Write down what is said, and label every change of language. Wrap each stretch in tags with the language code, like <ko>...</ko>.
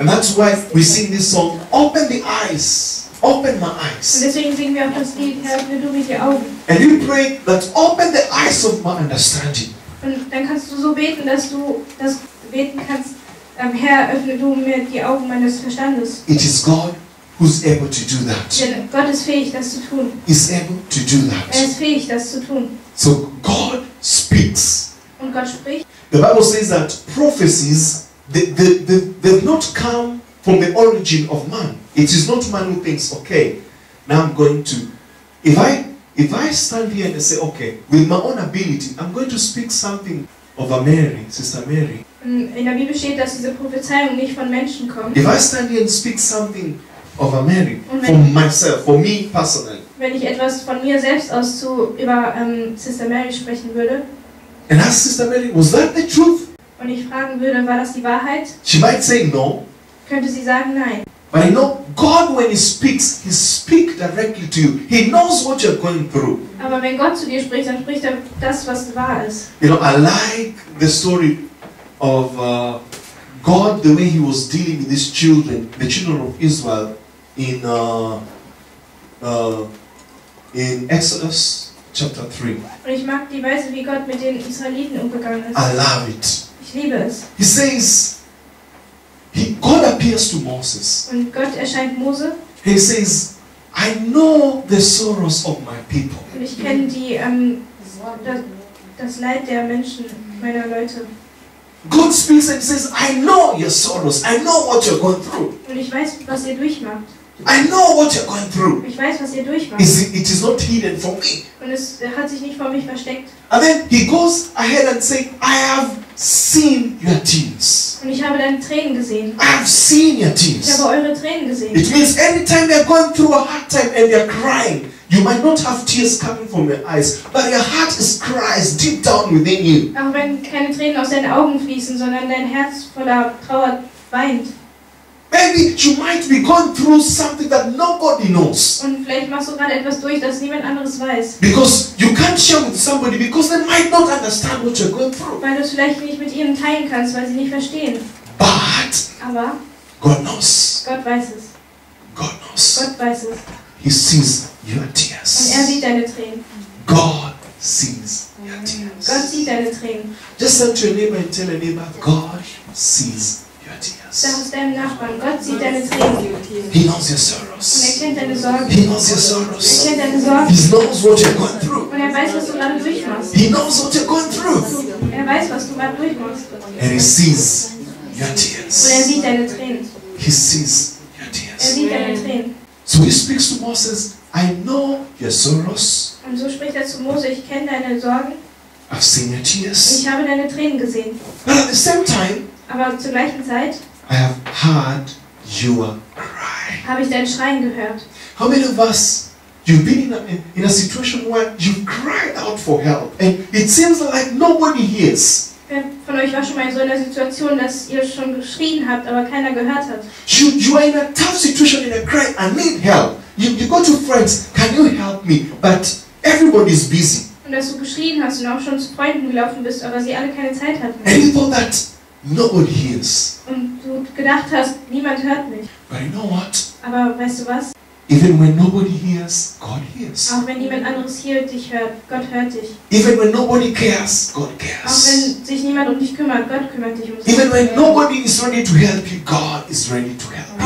<en>And that's why we sing this song, open the eyes. Open my eyes.</en> <de>Und deswegen singen wir auch das Lied, Herr, öffne du mir die Augen.</de> <en>And you pray that open the eyes of my understanding.</en> <de>Und dann kannst du so beten, dass du das beten kannst, Herr, öffne du mir die Augen meines Verstandes.</de> <en>It is God who's able to do that.</en> <de>Denn Gott ist fähig, das zu tun.</de> <en>He's able to do that.</en> <de>Er ist fähig, das zu tun.</de> <en>So God speaks.</en> <de>Und Gott spricht.</de> <en>The Bible says that prophecies they've not come from the origin of man. It is not man who thinks, okay, now I'm going to, if I stand here and I say, okay, with my own ability, I'm going to speak something of a Mary, Sister Mary.</en> <de>In der Bibel steht, dass diese Prophezeiung nicht von Menschen kommt.</de> <en>If I stand here and speak something of a Mary, for myself, for me personally.</en> <de>Wenn ich etwas von mir selbst aus zu über Sister Mary sprechen würde.</de> <en>And ask Sister Mary, was that the truth?</en> <de>Und ich fragen würde, war das die Wahrheit?</de> <en>She might say no.</en> <de>Könnte sie sagen nein.</de> <en>But I know God, when he speaks directly to you. He knows what you're going through.</en> <de>Aber wenn Gott zu dir spricht, dann spricht er das, was wahr ist.</de> <en>You know, I like the story of God, the way he was dealing with these children, the children of Israel, in Exodus chapter 3.</en> <de>Und ich mag die Weise, wie Gott mit den Israeliten umgegangen ist.</de> <en>I love it.</en> <de>Ich liebe es.</de> <en>He says, God appears to Moses.</en> <de>Und Gott erscheint Mose.</de> <en>He says, I know the sorrows of my people.</en> <de>Und ich kenne das Leid der Menschen, meiner Leute.</de> <en>God speaks and says, I know your sorrows. I know what you're going through.</en> <de>Und ich weiß, was ihr durchmacht.</de> <en>I know what you're going through.</en> <de>Ich weiß, was ihr durchmacht.</de> <en>It is not hidden from me.</en> <de>Und es hat sich nicht vor mich versteckt.</de> <en>And then he goes ahead and says, I have seen your tears.</en> <de>Und ich habe deine Tränen gesehen.</de> <en>I have seen your tears.</en> <de>Ich habe eure Tränen gesehen.</de> <en>It means any time you're going through a hard time and you're crying, you might not have tears coming from your eyes, but your heart is cries deep down within you.</en> <de>Auch wenn keine Tränen aus deinen Augen fließen, sondern dein Herz voller Trauer weint.</de> <en>Maybe you might be going through something that nobody knows.</en> <de>Und vielleicht machst du gerade etwas durch, das niemand anderes weiß.</de> <en>Because you can't share with somebody because they might not understand what you're going through.</en> <de>Weil du es vielleicht nicht mit ihnen teilen kannst, weil sie nicht verstehen.</de> <en>But</en> <de>aber</de> <en>God knows.</en> <de>Gott weiß es.</de> <en>God knows.</en> <de>Gott weiß es.</de> <en>He sees your tears.</en> <de>Und er sieht deine Tränen.</de> <en>God sees your tears.</en> <de>Gott sieht deine Tränen.</de> <en>Just turn to your neighbor and tell your neighbor, God sees.</en> <de>Sag es deinem Nachbarn, Gott sieht deine Tränen.</de> <en>He knows your sorrows.</en> <de>Und er kennt deine Sorgen.</de> <en>He knows your sorrows.</en> <de>Er kennt deine Sorgen.</de> <en>He knows what you're going through.</en> <de>Und er weiß, was du gerade durchmachst.</de> <en>He knows what you're going through.</en> <de>Er weiß, was du gerade durchmachst.</de> <en>And he sees your tears.</en> <de>Und er sieht deine Tränen.</de> <en>He sees your tears.</en> <de>Er sieht deine Tränen.</de> <en>So he speaks to Moses, I know your sorrows.</en> <de>Und so spricht er zu Mose, ich kenne deine Sorgen.</de> <en>I've seen your tears.</en> <de>Und ich habe deine Tränen gesehen.</de> <en>But at the same time,</en> <de>aber zur gleichen Zeit,</de> <en>I have heard your cry.</en> <de>Habe ich dein Schreien gehört?</de> <en>How many of us you've been in a situation where you cried out for help and it seems like nobody hears?</en> <de>Wer von euch war schon mal in so einer Situation, dass ihr schon geschrien habt, aber keiner gehört hat?</de> <en>You are in a tough situation and you cry, I need help. You go to friends, can you help me? But everybody is busy.</en> <de>Und dass du geschrien hast und auch schon zu Freunden gelaufen bist, aber sie alle keine Zeit hatten.</de> <en>And you thought that nobody hears.</en> <de>Und du gedacht hast, niemand hört mich.</de> <en>But you know what?</en> <de>Aber weißt du was?</de> <en>Even when nobody hears, God hears.</en> <de>Auch wenn niemand anderes hier dich hört, Gott hört dich.</de> <en>Even when nobody cares, God cares.</en> <de>Auch wenn sich niemand um dich kümmert, Gott kümmert dich um dich.</de> <en>Even when nobody is ready to help you, God is ready to help you.</en>